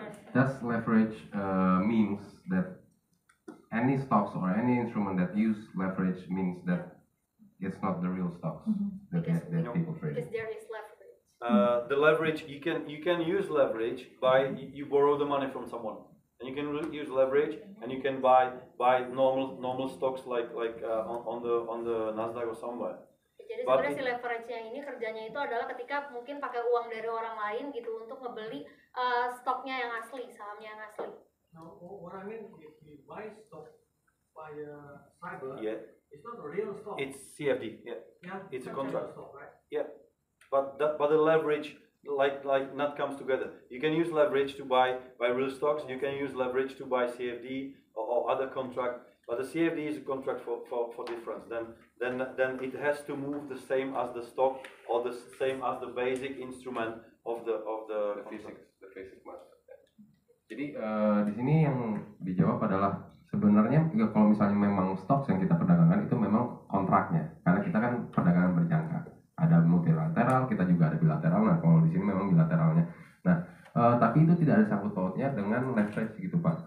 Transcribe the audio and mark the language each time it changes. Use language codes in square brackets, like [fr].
[en] does leverage means that any stocks or any instrument that use leverage means that it's not the real stocks that people trade? Because there is leverage. The leverage, you can use leverage by you borrow the money from someone, and you can use leverage, and you can buy normal stocks like on the Nasdaq or somewhere. [id] Jadi sebenarnya si leverage yang ini kerjanya itu adalah ketika mungkin pakai uang dari orang lain gitu untuk ngebeli stoknya yang asli, sahamnya yang asli. [en] Now, what I mean, if you buy stock by cyber, it's not a real stock. It's CFD, It's a contract stock, right? Yeah. But the leverage like not comes together. You can use leverage to buy real stocks. You can use leverage to buy CFD or other contract. But the CFD is a contract for difference. Then it has to move the same as the stock or the same as the basic instrument of the physics. The basic master. [id] Jadi di sini yang dijawab adalah sebenarnya kalau misalnya memang stocks yang kita perdagangkan itu memang kontraknya, karena kita kan perdagangan berjangka. Ada multilateral, kita juga ada bilateral. Nah, kalau di sini memang bilateralnya. Nah, tapi itu tidak ada sangkut pautnya dengan leverage gitu, Pak.